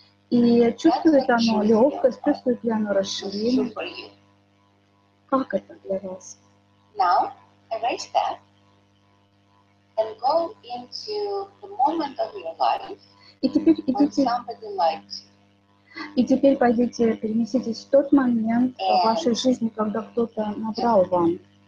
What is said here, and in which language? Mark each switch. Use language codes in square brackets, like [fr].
[ru] И чувствует оно легкость, чувствует ли оно расширение. Как это для вас? [en] Now, erase that and go into the moment of your life when somebody likes you. [ru] И теперь пойдите, перенеситесь в тот момент в вашей жизни, когда кто-то набрал вам.